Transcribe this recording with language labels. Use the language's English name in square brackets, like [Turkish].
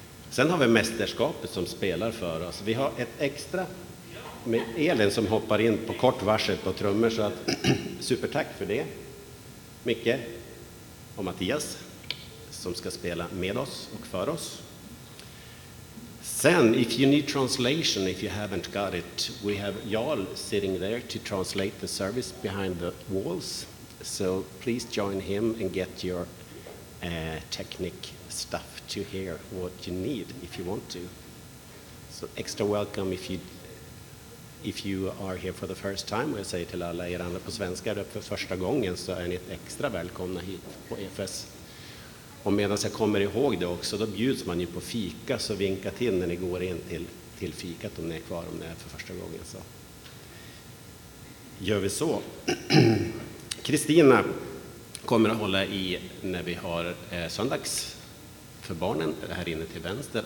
[Swedish] Sen har vi mästerskapet som spelar för oss. Vi har ett extra med Elin som hoppar in på kort varsel på trummor, så att supertack för det. Micke och Mattias som ska spela med oss och för oss. [English] Then, if you need translation, if you haven't got it, we have Jarl sitting there to translate the service behind the walls. So please join him and get your technic stuff to hear what you need, if you want to. So extra welcome if you are here for the first time. [Swedish] Jag säger till alla er andra på svenska, det är för första gången, så är ni extra välkomna hit på EFS. Och medan jag kommer ihåg det också, då bjuds man ju på fika, så vinka till när ni går in till fikat om ni är kvar, om ni är för första gången. Så gör vi så. Kristina kommer att hålla i när vi har söndags för barnen här inne till vänster.